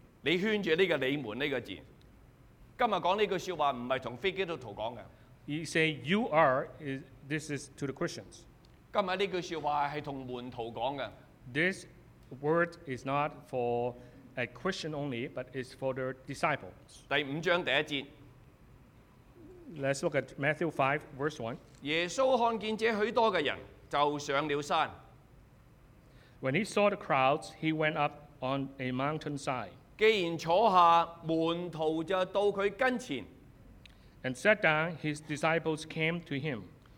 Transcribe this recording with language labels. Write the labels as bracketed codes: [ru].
[yue] 你圈住呢個你們呢個字，今日講呢句説話唔係同非基督徒講嘅。 [en] You say you are is this is to the Christians。 [yue] 今日呢句説話係同門徒講嘅。 [en] This word is not for a Christian only, but is for the disciples。 [yue] 第五章第一節。 [en] Let's look at Matthew 5 verse 1。 [yue] 耶穌看見這許多嘅人。就上了山。 [en] When he saw the crowds, he went up on a mountainside. [yue] 既然坐下，門徒就到佢跟前。 [en] And sat down, his disciples came to him.